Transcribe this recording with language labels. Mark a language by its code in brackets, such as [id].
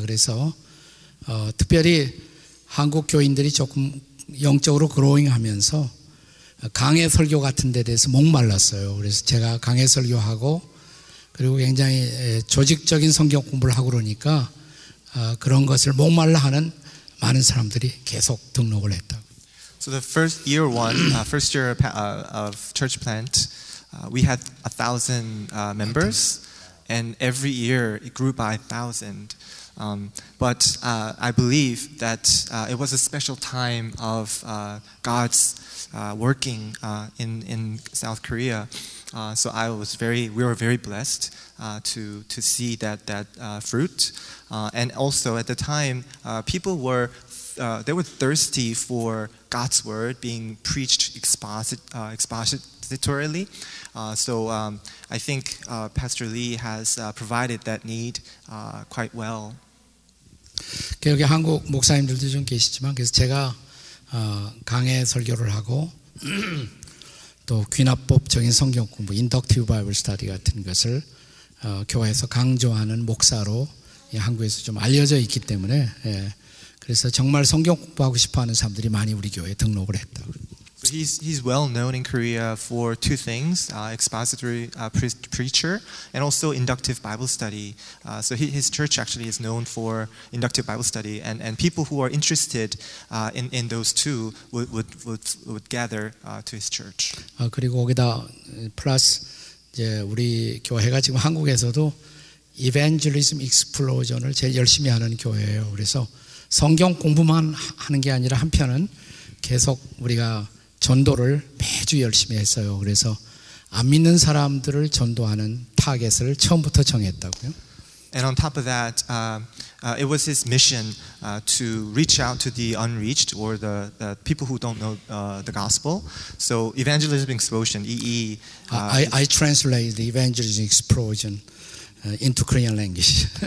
[ko] 그래서 특별히 한국 교인들이 조금 영적으로 그로잉하면서 강해 설교 같은 데 대해서 목말랐어요. 그래서 제가 강해 설교하고 그리고 굉장히 조직적인 성경 공부를 하고 그러니까 그런 것을 목말라 하는 많은 사람들이 계속 등록을 했다. [en] So the first year one, first year of church plant, we had 1,000 members, and every year it grew by 1,000. I believe that it was a special time of God's working in South Korea. We were very blessed to see that fruit. And also at the time, people were they were thirsty for God's word being preached expositorially. I think Pastor Lee has provided that need quite well. [ko] 여기 한국 목사님들도 좀 계시지만 그래서 제가 강해 설교를 하고 또 귀납법적인 성경 공부, 인덕티브 바이블 스터디 같은 것을 교회에서 강조하는 목사로 한국에서 좀 알려져 있기 때문에 예. 그래서 정말 성경 공부하고 싶어 하는 사람들이 많이 우리 교회에 등록을 했다. [en] He's well known in Korea for two things, expository preacher and also inductive Bible study. His church actually is known for inductive Bible study and people who are interested in those two would gather to his church. [ko] 그리고 거기다 플러스 이제 우리 교회가 지금 한국에서도 이벤젤리즘 익스플로전을 제일 열심히 하는 교회예요. 그래서 성경 공부만 하는 게 아니라 한편은 계속 우리가 전도를 매주 열심히 했어요. 그래서 안 믿는 사람들을 전도하는 타겟을 처음부터 정했다고요. [en] And on top of that, it was his mission to reach out to the unreached or the people who don't know the gospel. So evangelism explosion, EE. I translate the evangelism explosion into Korean language.